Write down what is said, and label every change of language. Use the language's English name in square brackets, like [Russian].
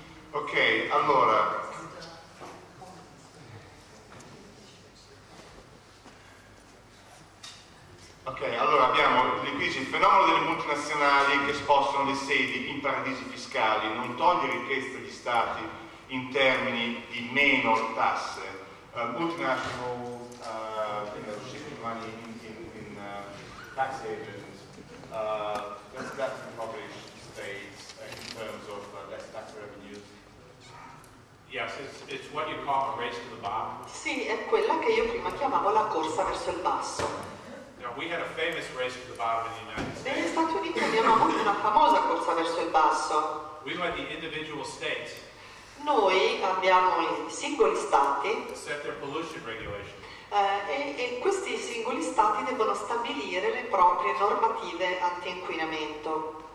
[Italian] Ok, allora abbiamo il fenomeno delle multinazionali che spostano le sedi in paradisi fiscali, non toglie ricchezza agli stati in termini di meno tasse. [English] Multinational shipping money in tax havens, that's that impoverished states in terms of less tax revenues. Yes, it's what you call a race to the bottom. [Italian] Sì, è quella che io prima chiamavo la corsa verso il basso. [English] Now, we had a famous race to the bottom in the United States. [Italian] Negli Stati Uniti abbiamo avuto una famosa corsa verso il basso. [English] We let the individual states. [Italian] Noi abbiamo i singoli stati. [English] Set their pollution regulations. [Italian] E questi singoli stati devono stabilire le proprie normative anti-inquinamento.